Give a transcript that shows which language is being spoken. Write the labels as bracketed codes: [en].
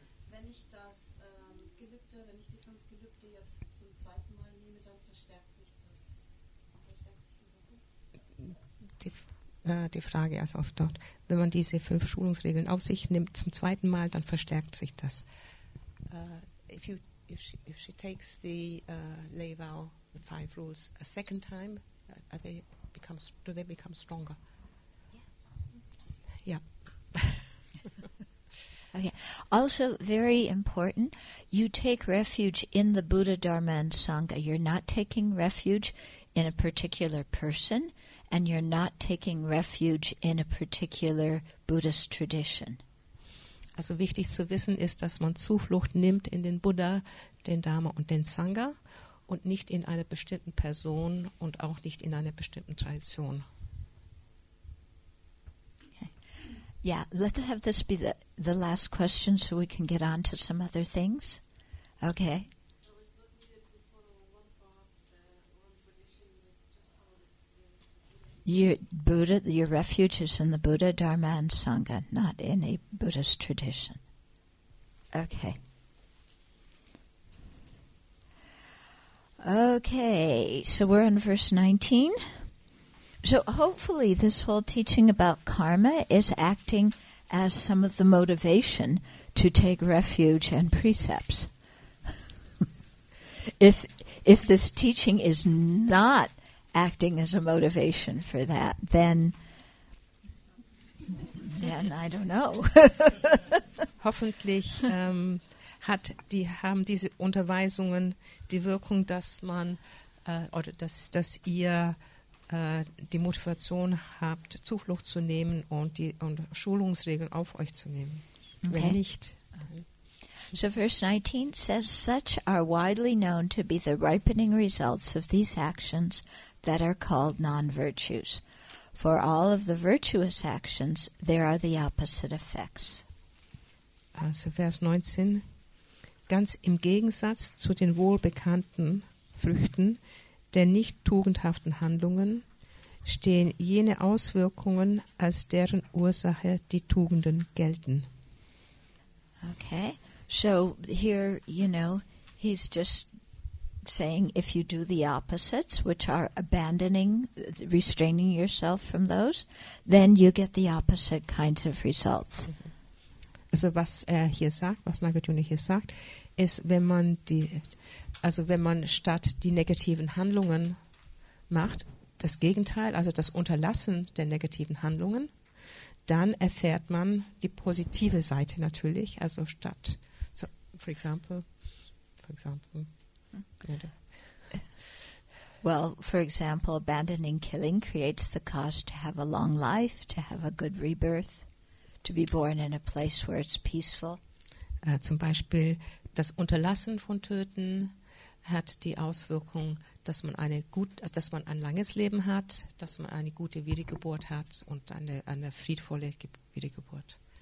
[de] Wenn ich das Gelübde, wenn ich die 5 Gelübde jetzt zum zweiten Mal nehme, dann verstärkt sich das. Die Frage ist oft dort, wenn man diese 5 Schulungsregeln auf sich nimmt zum zweiten Mal, dann verstärkt sich das. [en] If she takes the Lei Vow, the 5 rules, a second time, do they become stronger? Yeah. Okay. Also, very important, you take refuge in the Buddha, Dharma, and Sangha. You're not taking refuge in a particular person, and you're not taking refuge in a particular Buddhist tradition. [de] Also wichtig zu wissen ist, dass man Zuflucht nimmt in den Buddha, den Dharma und den Sangha und nicht in einer bestimmten Person und auch nicht in einer bestimmten Tradition. [en] Okay. Yeah, let's have this be the last question so we can get on to some other things. Okay. Your refuge is in the Buddha, Dharma, and Sangha, not in a Buddhist tradition. Okay. Okay, so we're in verse 19. So hopefully this whole teaching about karma is acting as some of the motivation to take refuge and precepts. If this teaching is not acting as a motivation for that, then I don't know. [de] Hoffentlich haben diese Unterweisungen die Wirkung, dass man oder dass ihr die Motivation habt, Zuflucht zu nehmen und Schulungsregeln auf euch zu nehmen. Okay. Wenn nicht. [en] So verse 19 says, such are widely known to be the ripening results of these actions that are called non-virtues. For all of the virtuous actions, there are the opposite effects. [de] Also Vers 19, ganz im Gegensatz zu den wohlbekannten Früchten der nicht tugendhaften Handlungen stehen jene Auswirkungen, als deren Ursache die Tugenden gelten. [en] Okay, so here, you know, he's just saying if you do the opposites, which are abandoning, restraining yourself from those, then you get the opposite kinds of results. [de] Also was hier sagt, was Nagarjuna hier sagt, ist, wenn man statt die negativen Handlungen macht, das Gegenteil, also das Unterlassen der negativen Handlungen, dann erfährt man die positive Seite natürlich, also statt, [en] so, for example, well, for example, abandoning killing creates the cause to have a long life, to have a good rebirth, to be born in a place where it's peaceful. [de] Zum Beispiel, das Unterlassen von Töten hat die Auswirkung, dass man ein langes Leben hat, dass man eine gute Wiedergeburt hat und eine friedvolle Wiedergeburt.